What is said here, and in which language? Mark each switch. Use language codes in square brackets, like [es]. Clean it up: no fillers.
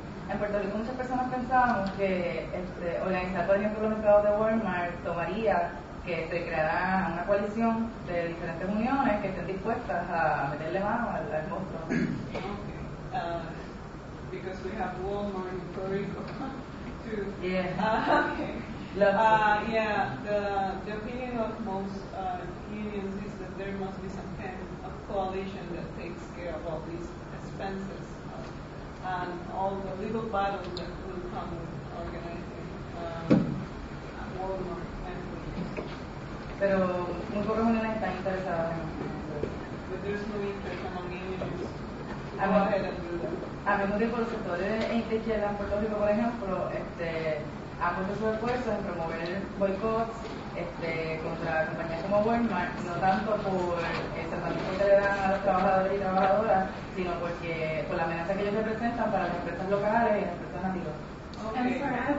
[es] En Puerto Rico muchas personas pensaban que organizar por ejemplo los empleados de Walmart tomaría que se creara una coalición de diferentes uniones que estén dispuestas a meterle mano al monstruo. [en] Okay. Because we have Walmart in Puerto Rico too. Yeah. Okay. The opinion of most unions is that there must be some kind of coalition that takes care of all these expenses. And all the little battles that will come with organizing Walmart employees. [es] pero muy pocas mujeres están interesadas en eso. Pero tienes un interés en ellos. A menudo, los sectores de Puerto Rico, por ejemplo, han puesto sus esfuerzos en promover boicots contra compañías como Walmart, no tanto por el tratamiento que le dan a los trabajadores y trabajadoras, sino porque por la amenaza que ellos representan para las empresas locales y las empresas nativas.